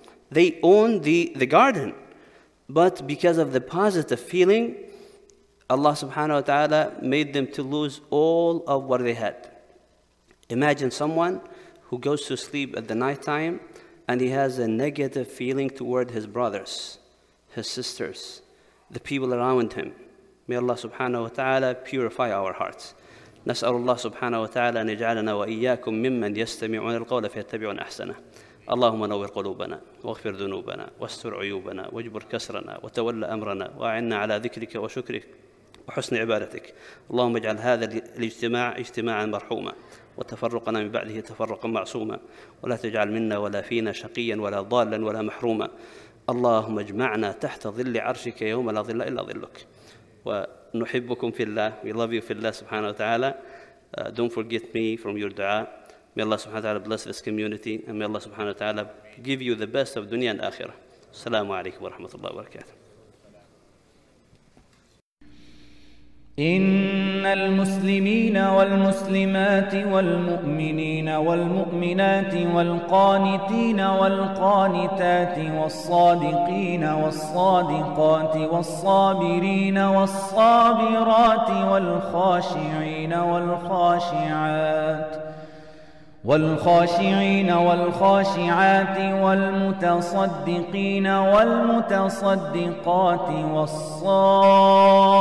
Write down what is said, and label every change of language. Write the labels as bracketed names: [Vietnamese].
[English] They own the garden. But because of the positive feeling, Allah subhanahu wa ta'ala made them to lose all of what they had. Imagine someone who goes to sleep at the nighttime and he has a negative feeling toward his brothers, his sisters, the people around him. May Allah subhanahu wa ta'ala purify our hearts. [Arabic] نسأل الله سبحانه وتعالى أن يجعلنا وإياكم ممن يستمعون القول فيتبعون أحسنه. اللهم نور قلوبنا واغفر ذنوبنا واستر عيوبنا واجبر كسرنا وتولى أمرنا وأعنا على ذكرك وشكرك وحسن عبادتك. اللهم اجعل هذا الاجتماع اجتماعا مرحوما وتفرقنا من بعده تفرقا معصوما ولا تجعل منا ولا فينا شقيا ولا ضالا ولا محروما. اللهم اجمعنا تحت ظل عرشك يوم لا ظل إلا ظلك. ونحبكم في الله. [English] We love you [Arabic] في الله سبحانه وتعالى. [English] Don't forget me from your دعاء. May Allah [Arabic] سبحانه وتعالى [English] bless this community and may Allah سبحانه وتعالى give you the best of dunya and akhirah. [Arabic] السلام عليكم ورحمة الله وبركاته. إن المسلمين والمسلمات والمؤمنين والمؤمنات والقانتين والقانتات والصادقين والصادقات والصابرين والصابرات والخاشعين والخاشعات والخاشعين والخاشعات والمتصدقين والمتصدقات والصائمين